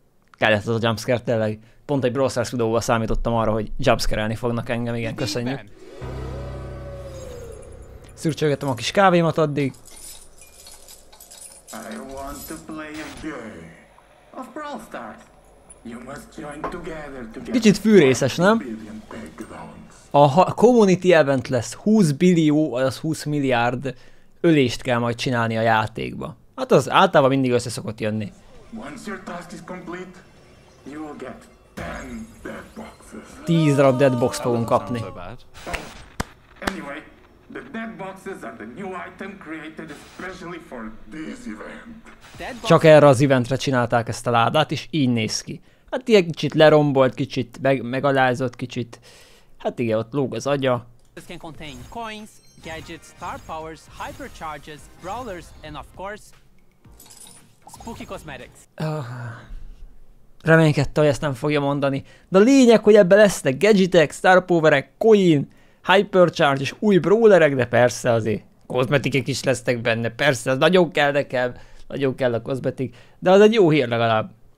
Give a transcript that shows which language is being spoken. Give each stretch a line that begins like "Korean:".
Hungarian: Kellett ez a jumpscare tényleg. Pont egy Brawl Stars videóval számítottam arra, hogy jumpscare-elni fognak engem, igen, köszönjük. Szürcsögetem a kis kávémat addig.
English: I want to play a game of Brawl Stars. You must join together to get.
Hungarian: Kicsit fűrészes, nem? A community event lesz, 20 billió, azaz 20 milliárd ölést kell majd csinálni a játékba. Hát az általában mindig össze szokott jönni.
English: Once your task is complete, you will get 10 dead boxes.
Hungarian: 10 darab dead box fogunk kapni.
English: Anyway, the dead boxes are the new item created especially for this event.
Hungarian: Csak erre az eventre csinálták ezt a ládát, és így néz ki. Hát ilyen kicsit lerombolt, kicsit megalázott, kicsit... Hát igen, ott lóg az agya.
English: This can contain coins, gadgets, star powers, hypercharges, brawlers, and of course, spooky cosmetics.
Hungarian: Reménykedte, hogy ezt nem fogja mondani. De a lényeg, hogy ebben lesznek gadgetek, star powerek, coin, hypercharge és új brawlerek, de persze azért kozmetikek is lesznek benne, persze, az nagyon kell nekem, nagyon kell a kozmetik, de az egy jó hír legalább.